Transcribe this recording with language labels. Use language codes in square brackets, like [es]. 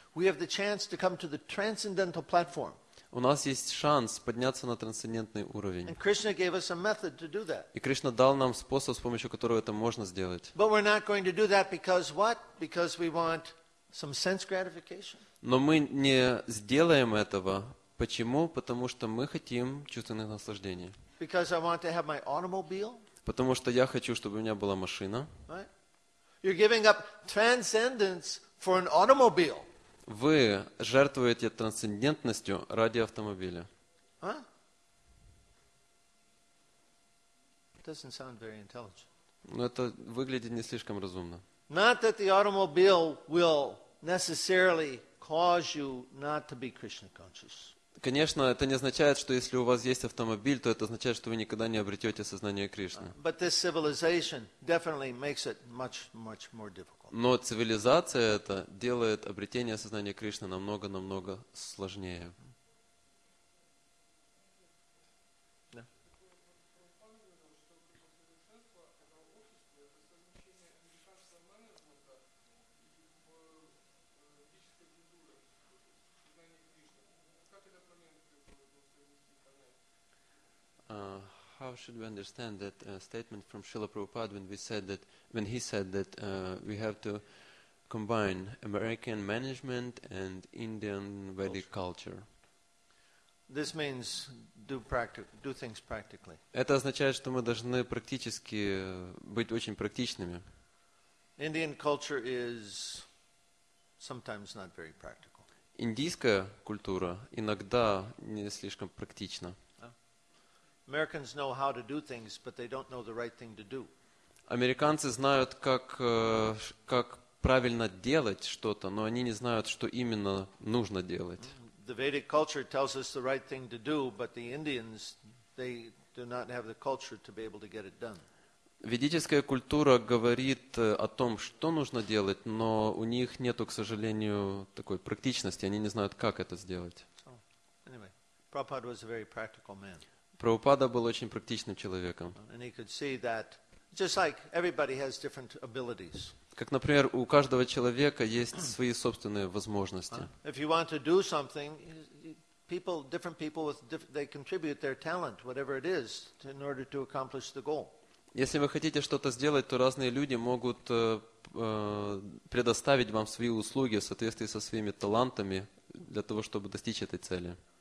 [en] We have the chance to come to the transcendental platform. [ru] У нас есть шанс подняться на трансцендентный уровень. [en] And Krishna gave us a method to do that. [ru] И Кришна дал нам способ, с помощью которого это можно сделать. [en] But we're not going to do that because what? Because we want some sense gratification. [ru] Но мы не сделаем этого. Почему? Потому что мы хотим чувственных наслаждений. [en] Because I want to have my automobile. [ru] Потому что я хочу, чтобы у меня была машина. [en] Right? You're giving up transcendence for an automobile. [ru] Вы жертвуете трансцендентностью ради автомобиля. Huh? [en] Doesn't sound very intelligent. [ru] Но это выглядит не слишком разумно. [en] Not that the automobile will necessarily cause you not to be Krishna conscious. [ru] Конечно, это не означает, что если у вас есть автомобиль, то это означает, что вы никогда не обретете сознание Кришны. [en] But this civilization definitely makes it much, much more difficult. [ru] Но цивилизация эта делает обретение сознания Кришны намного, намного сложнее. Yeah. [en] how should we understand that statement from Srila Prabhupada when we said that, when he said that we have to combine American management and Indian Vedic culture? This means do things practically. [ru] Это означает, что мы должны практически быть очень практичными. [en] Indian culture is sometimes not very practical. [ru] Индийская культура иногда не слишком практична. [en] Americans know how to do things, but they don't know the right thing to do. [ru] Американцы знают, как правильно делать что-то, но они не знают, что именно нужно делать. [en] The Vedic culture tells us the right thing to do, but the Indians, they do not have the culture to be able to get it done. [ru] Ведическая культура говорит о том, что нужно делать, но у них нету, к сожалению, такой практичности, они не знают, как это сделать. [en] So, anyway, Prabhupada was a very practical man. [ru] Prabhupada был очень практичным человеком. [en] And he could see that, just like everybody has different abilities. [ru] Как, например, у каждого человека есть свои собственные возможности. [en] If you want to do something, different people contribute their talent, whatever it is, in order to accomplish the goal. [ru] Если вы хотите что-то сделать, то разные люди могут предоставить вам свои услуги в соответствии со своими талантами для того, чтобы достичь этой цели.